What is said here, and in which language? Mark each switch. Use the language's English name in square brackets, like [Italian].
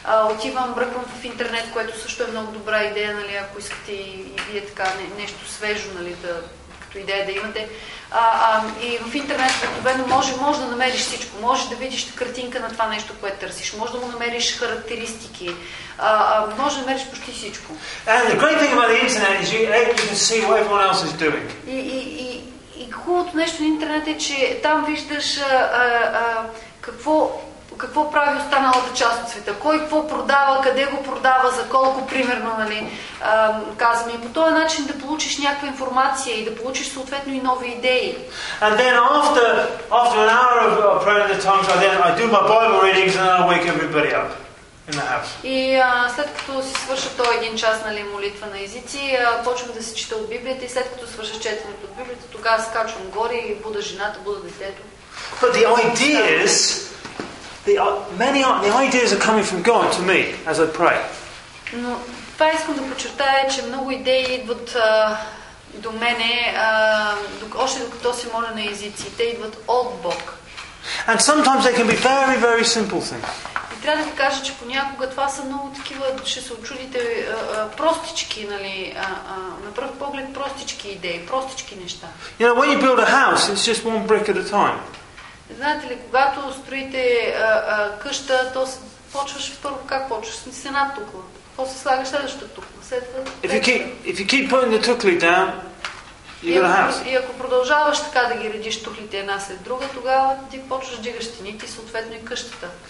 [Bulgarian] Отивам, бръкам в интернет, което също е много добра идея, нали, ако искате и вие така нещо свежо, нали, да, като идея да имате. И в интернет обикновено може да намериш всичко. Може да видиш картинка на това нещо, което търсиш. Може да му намериш характеристики. Може да намериш почти всичко. [English] And the great thing about the internet is you can see what everyone else is doing. [Bulgarian] И хубавото нещо на интернет е, че там виждаш какво прави останалата част от света. Кой какво продава, къде го продава, за колко, примерно, нали, казваме. По този начин да получиш някаква информация и да получиш съответно и нови идеи. [English] And then after an hour of praying in the tongues, I do my Bible readings and then I wake everybody up. [Bulgarian] И след като си свърша този един час, нали, молитва на езици, почвам да си чета от Библията и след като свърша четенето от Библията, тогава скачвам горе и буда жената, буда детето. [English] But the ideas, the ideas are coming from God to me as I pray. [Bulgarian] Но това искам да подчертая, че много идеи идват до мене, още докато си моля на езици, те идват от Бог. [English] And sometimes they can be very, very simple things. [Bulgarian] Трябва да ви кажа, че понякога това са много такива, ще се очудите, простички, нали, на пръв поглед простички идеи, простички неща. [English] You know, when you build a house, it's just one brick at a time. [Bulgarian] Знаете ли, когато строите къща, то почваш първо, как почваш? С една тукла. После слагаш следващата тукла. [English] If you keep putting the tukli down, you got a house. И ако продължаваш така да ги редиш тухлите една след друга, тогава ти почваш дигаш стените и съответно и къщата.